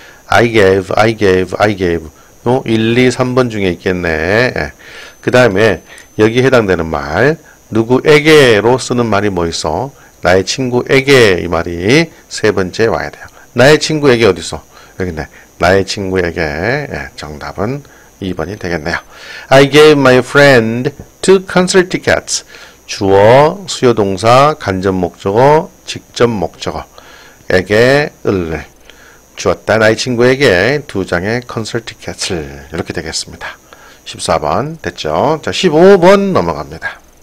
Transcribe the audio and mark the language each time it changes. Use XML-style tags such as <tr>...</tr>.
<en>I gave, I gave, I gave.</en> <ko>요 1, 2, 3번 중에 있겠네. 예. 그 다음에 여기 해당되는 말. 누구에게로 쓰는 말이 뭐 있어? 나의 친구에게 이 말이 세 번째 와야 돼요. 나의 친구에게 어디 있어? 여기 있네. 나의 친구에게. 예, 정답은 2번이 되겠네요.</ko> <en>I gave my friend two concert tickets.</en> <ko>주어, 수요동사, 간접목적어, 직접목적어에게 을 주었다. 나의 친구에게 두 장의 concert tickets을 이렇게 되겠습니다. 14번 됐죠? 자, 15번 넘어갑니다.</ko>